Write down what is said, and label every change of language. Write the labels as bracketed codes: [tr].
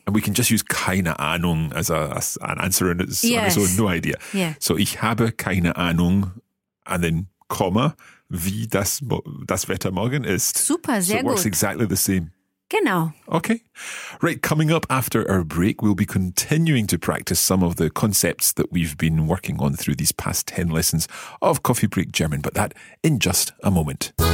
[en] And we can just use [de] keine Ahnung [en] as an answer and it's yes. on its own, no idea. Yeah. [de] So ich habe keine Ahnung [en] and then comma, [de] wie das Wetter morgen ist. Super, sehr gut. [en] So it works [de] gut. [en] exactly the same. [de] Genau. [en] Okay. Right, coming up after our break, we'll be continuing to practice some of the concepts that we've been working on through these past 10 lessons of Coffee Break German, but that in just a moment.